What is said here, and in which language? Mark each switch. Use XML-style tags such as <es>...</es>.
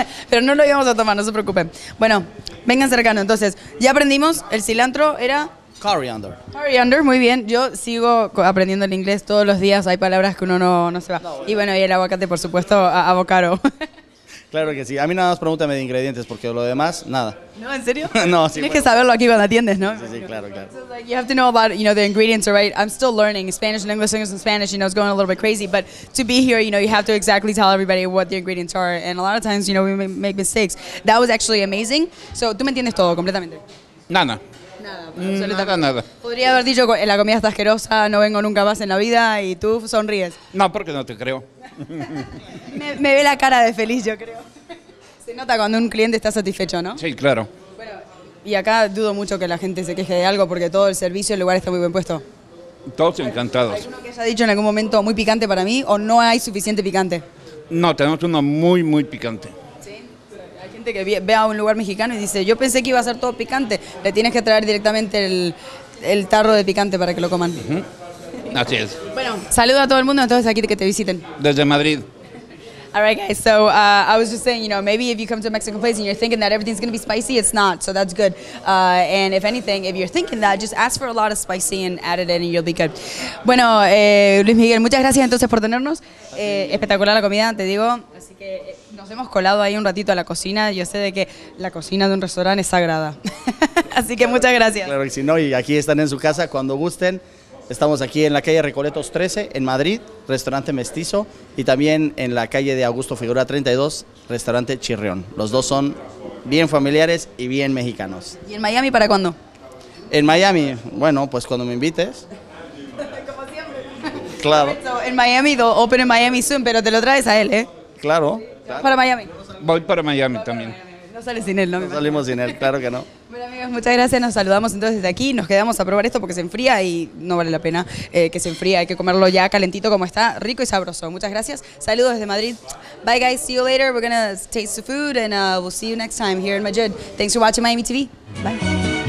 <es>Pero no lo íbamos a tomar, no se preocupen. Bueno, vengan cercano, entonces, ya aprendimos, el cilantro era...</es> <en>Coriander,</en> <es>muy bien. Yo sigo aprendiendo el inglés todos los días. Hay palabras que uno no se va. No, y bueno, y el aguacate, por supuesto, avocado. Claro que sí. A mí nada más pregúntame de ingredientes, porque lo demás, nada. No, ¿en serio? No, sí. Tienes que saberlo aquí cuando atiendes, ¿no? Sí, claro.</es> <en>So like, you have to know about, you know, the ingredients, right? I'm still learning Spanish and English, English and Spanish, you know, it's going a little bit crazy. But to be here, you know, you have to exactly tell everybody what the ingredients are. And a lot of times, you know, we make mistakes. That was actually amazing. So,</en> <es>¿tú me entiendes todo completamente? Nada. Nada. Podría haber dicho, la comida está asquerosa, no vengo nunca más en la vida, y tú sonríes. No, porque no te creo. me ve la cara de feliz, yo creo. Se nota cuando un cliente está satisfecho, ¿no? Sí, claro. Bueno, y acá dudo mucho que la gente se queje de algo, porque todo el servicio, el lugar está muy bien puesto. Todos encantados. ¿Hay alguno que haya dicho en algún momento muy picante para mí, o no hay suficiente picante? No, tenemos uno muy, muy picante. Que ve a un lugar mexicano y dice, yo pensé que iba a ser todo picante, le tienes que traer directamente el tarro de picante para que lo coman. Uh-huh. Así es. Bueno, saludo a todo el mundo, entonces aquí que te visiten. Desde Madrid.</es> <en>All right, guys, so I was just saying, you know, maybe if you come to a Mexican place and you're thinking that everything's going to be spicy, it's not, so that's good. And if anything, if you're thinking that, just ask for a lot of spicy and add it in and you'll be good.</en> <es>Bueno, Luis Miguel, muchas gracias entonces por tenernos. Espectacular la comida, te digo. Así que nos hemos colado ahí un ratito a la cocina. Yo sé de que la cocina de un restaurante es sagrada. Así que muchas gracias. Claro que sí, no, y aquí están en su casa cuando gusten. Estamos aquí en la calle Recoletos 13, en Madrid, restaurante Mestizo, y también en la calle de Augusto Figueroa 32, restaurante Chirrión. Los dos son bien familiares y bien mexicanos. ¿Y en Miami para cuándo? En Miami, bueno, pues cuando me invites. Como siempre. Claro. En Miami, open en Miami soon, pero te lo traes a él, ¿eh? Claro. Para Miami. Voy para Miami también. No No sales sin él, ¿no? No salimos sin él, claro que no. Bueno, amigos, muchas gracias. Nos saludamos entonces de aquí. Nos quedamos a probar esto porque se enfría y no vale la pena que se enfría. Hay que comerlo ya calentito como está, rico y sabroso. Muchas gracias. Saludos desde Madrid.</es> <en>Bye, guys. See you later. We're going to taste the food and we'll see you next time here in Madrid. Thanks for watching Miami TV. Bye.</en>